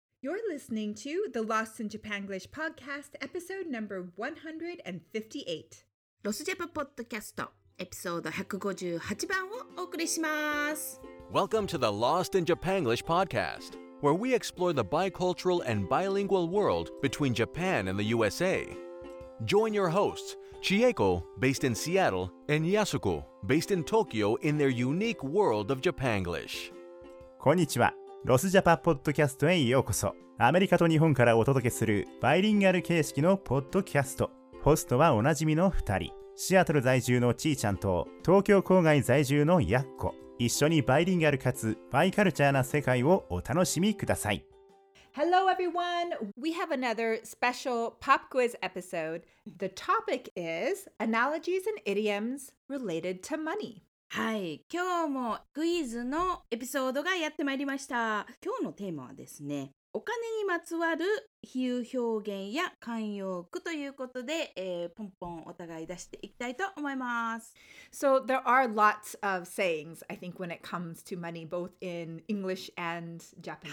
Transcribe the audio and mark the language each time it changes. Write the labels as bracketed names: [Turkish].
[English] You're listening to the Lost in Japanglish podcast, episode number 158. [Japanese] ロスジャパポッドキャスト、エピソード158番をお送りします。 [English] Welcome to the Lost in Japanglish podcast, where we explore the bicultural and bilingual world between Japan and the USA. Join your hosts, Chieko, based in Seattle, and Yasuko, based in Tokyo, in their unique world of Japanglish. [Japanese] こんにちは。ロスジャパポッドキャストへようこそ。アメリカと日本からお届けするバイリンガル形式のポッドキャスト。ホストはおなじみの2人、シアトル在住のちーちゃんと東京郊外在住のやっこ。一緒にバイリンガルかつバイカルチャーな世界をお楽しみください。 [English] Hello everyone, we have another special pop quiz episode. The topic is analogies and idioms related to money. [Japanese] はい、今日もクイズのエピソードがやってまいりました。今日のテーマはですね、お金にまつわる比喩表現や慣用句ということで、ポンポンお互い出していきたいと思います。 [English] So there are lots of sayings I think when it comes to money both in English and Japanese、